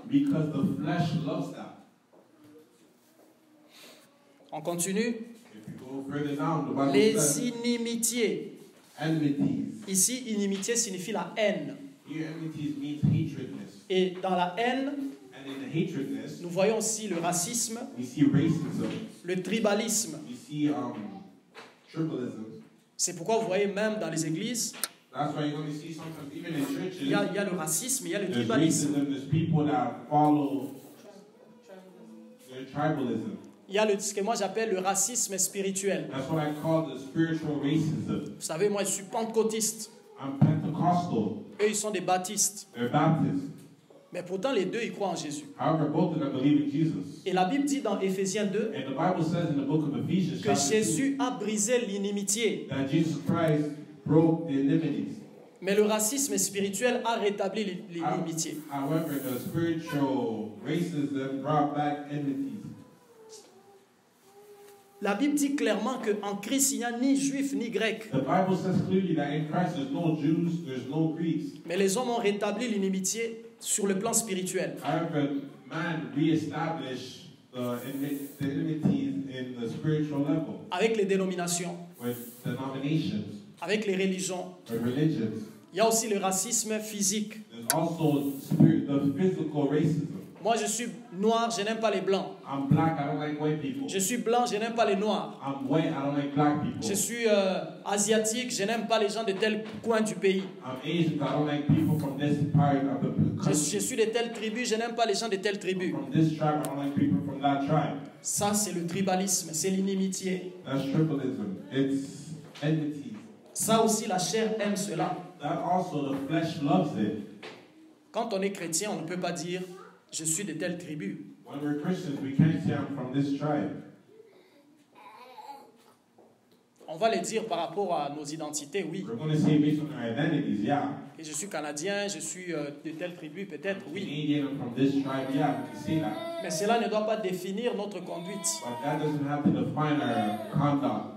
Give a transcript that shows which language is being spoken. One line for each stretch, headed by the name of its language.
English: Because the flesh loves that.
French: On continue.
English: If you go further down, the Bible
French: les
English: says,
French: inimitiés.
English: Enmities.
French: Ici, inimitié signifie la haine.
English: Here, enmities means hatredness.
French: Et dans la haine,
English: and in the hatredness,
French: nous voyons aussi le racisme,
English: we see racism,
French: le tribalisme.
English: We see, tribalism.
French: C'est pourquoi vous voyez même dans les églises,
English: that's why you're going to see sometimes, even in churches,
French: il y a le racisme, il y a le tribalisme.
English: There's people that follow their tribalism.
French: Il y a ce que moi j'appelle le racisme spirituel.
English: That's what I call the spiritual racism.
French: Vous savez, moi je suis pentecôtiste.
English: I'm Pentecostal.
French: Eux ils sont des baptistes.
English: They're Baptist.
French: Mais pourtant les deux ils croient en Jésus.
English: However, both of them believe in Jesus.
French: Et la Bible dit dans Ephésiens 2
English: and the Bible says in the book of Ephesians,
French: que Jésus a brisé l'inimitié.
English: That Jesus Christ broke the enmities.
French: Mais le racisme spirituel a rétabli l'inimitié.
English: However, the spiritual racism brought back enmities.
French: La Bible dit clairement qu'en Christ, il n'y a ni juif ni grec.
English: The Bible says clearly that in Christ, there's no Jews, there's no Greeks.
French: Mais les hommes ont rétabli l'inimitié sur le plan spirituel.
English: However, man reestablished the enmities in the spiritual level.
French: Avec les dénominations.
English: With denominations.
French: Avec les religions.
English: With religions.
French: Il y a aussi le racisme physique.
English: There's also the physical racism.
French: Moi, je suis noir, je n'aime pas les blancs.
English: I'm black, I don't like white people.
French: Je suis blanc, je n'aime pas les noirs.
English: I'm white, I don't like black people.
French: Je suis asiatique, je n'aime pas les gens de tel coin du pays.
English: I'm Asian, I don't like people from this part of the country.
French: Je suis de telle tribu, je n'aime pas les gens de telle tribu.
English: From this tribe, I don't like people from that tribe.
French: Ça, c'est le tribalisme, c'est l'inimitié.
English: That's tribalism. It's enmity.
French: Ça aussi, la chair aime cela.
English: That also, the flesh loves it.
French: Quand on est chrétien, on ne peut pas dire je suis de telle tribu.
English: When we're Christians, we can't say I'm from this tribe.
French: On va le dire par rapport à nos identités, oui.
English: We're going to say based on our identities, yeah.
French: Et je suis Canadien, je suis de telle tribu, peut-être, oui.
English: Canadian, I'm from this tribe, yeah, we can say that.
French: Mais cela ne doit pas définir notre conduite.
English: But that doesn't have to define our conduct.